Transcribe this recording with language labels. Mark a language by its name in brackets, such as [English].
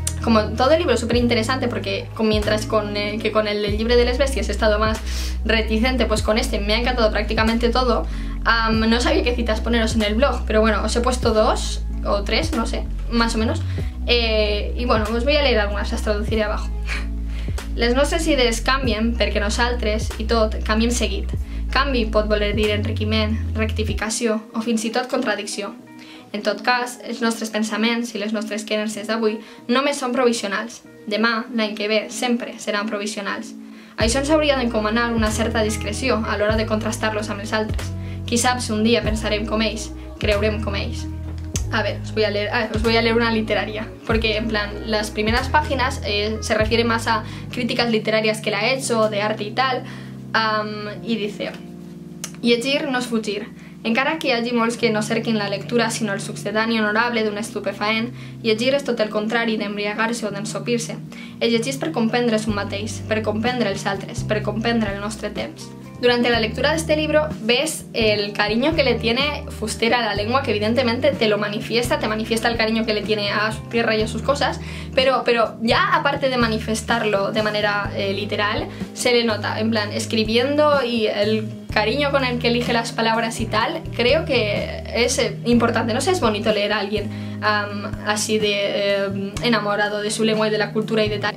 [Spanish] Como todo el libro es súper interesante, porque mientras con el Llibre de les Bèsties he estado más reticente, pues con este me ha encantado prácticamente todo. No sabía qué citas poneros en el blog, pero bueno, os he puesto dos o tres, no sé, más o menos. Y bueno, os voy a leer algunas, las traduciré abajo. [Catalan] Les nostres idees canvien perquè nosaltres i tot canviem seguit. Canvi pot voler dir enriquiment, rectificació o fins i tot contradicció. En tot cas, els nostres pensaments i les nostres creences d'avui només són provisionals. Demà, l'any que ve, sempre seran provisionals. Això ens hauria d'encomanar una certa discreció a l'hora de contrastar-los amb els altres. Qui sap si un dia pensarem com ells, creurem com ells. [Spanish] A ver, os voy a leer una literaria, porque en plan, las primeras páginas se refieren más a críticas literarias que la he hecho, de arte y tal, y dice: [Catalan] Llegir no és fugir. Encara que hi hagi molts que no cerquin la lectura sinó el succedani honorable d'un estupefaent, llegir és tot el contrari d'embriagar-se o d'ensopir-se. El llegir és per comprendre's un mateix, per comprendre els altres, per comprendre el nostre temps. [Spanish] durante la lectura de este libro ves el cariño que le tiene Fuster a la lengua, que evidentemente te lo manifiesta, te manifiesta el cariño que le tiene a su tierra y a sus cosas, pero ya aparte de manifestarlo de manera literal, se le nota, en plan, escribiendo y el cariño con el que elige las palabras y tal, creo que es importante, no sé, es bonito leer a alguien así de enamorado de su lengua y de la cultura y de tal.